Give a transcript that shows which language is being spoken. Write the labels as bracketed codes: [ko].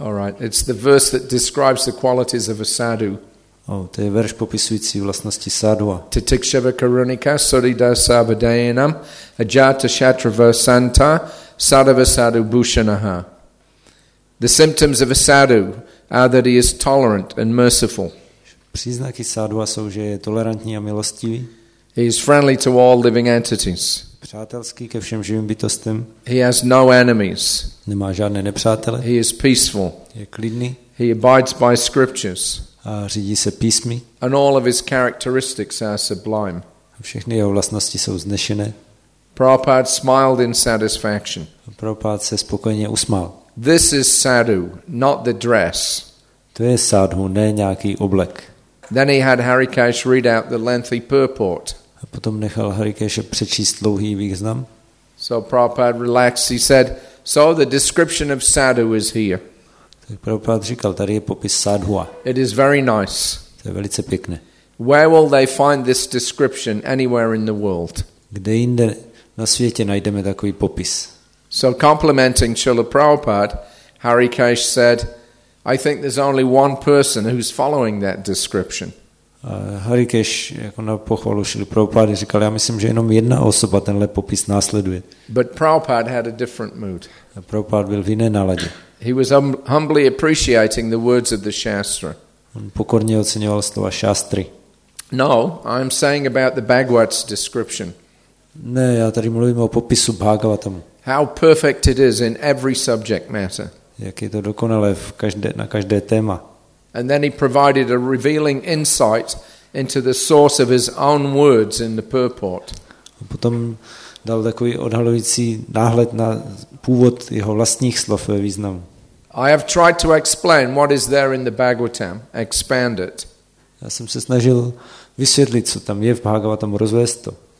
[en] All right, it's the verse that describes the qualities of a sadhu. [cs] Oh, to je verš popisující vlastnosti sadhua. [sa] Titikshava karunika sodida sabadayanam ajata shatrava santa sadhava sadhu bhushanaha. [en] The symptoms of a sadhu are that he is tolerant and merciful. [cs] Příznaky sadhua jsou, že je tolerantní a milostivý. [en] He is friendly to all living entities. [cs] Přátelský ke všem živým bytostem. [en] He has no enemies. [cs] Nemá žádné nepřátele. [en] He is peaceful. [cs] Je klidný. [en] He abides by scriptures. [cs] A řídí se písmy. [en] And all of his characteristics are sublime. [cs] Všechny jeho vlastnosti jsou vznešené. [en] Prabhupada smiled in satisfaction. [cs] Prabhupada se spokojeně usmál. [en] This is sadhu, not the dress. [cs] To je sadhu, ne nějaký oblek. [en] Then he had Harikesh read out the lengthy purport. [cs] A potom nechal Harikesha přečíst dlouhý význam. [en] So Prabhupada relaxed, he said, so the description of sadhu is here. [cs] Tak Prabhupada říkal, tady je popis sadhua. [en] It is very nice. [cs] To je velice pěkné. [en] Where will they find this description anywhere in the world? [cs] Kde jinde na světě najdeme takový popis? [en] So complimenting Srila Prabhupada, Harikesh said, I think there's only one person who's following that description. [cs] Hare Krishna jako na pochvalu Šrily Prabhupády říkal, já myslím, že jenom jedna osoba tenhle popis následuje. [en] But Prabhupada had a different mood. [cs] Prabhupada byl v jiné náladě. [en] He was humbly appreciating the words of the Shastra. [cs] On pokorně oceňoval slova Šastry. [en] No, I'm saying about the Bhagavat's description. [cs] Ne, já tady mluvím o popisu Bhagavatam. [en] How perfect it is in every subject matter. [cs] Jak je to dokonalé na každé téma. [en] And then he provided a revealing insight into the source of his own words in the purport. [cs] A potom dal takový odhalující náhled na původ jeho vlastních slov ve významu. [en] I have tried to explain what is there in the Bhagavatam, expand it. [cs] Já jsem se snažil vysvětlit, co tam je v Bhagavatam, rozvést to.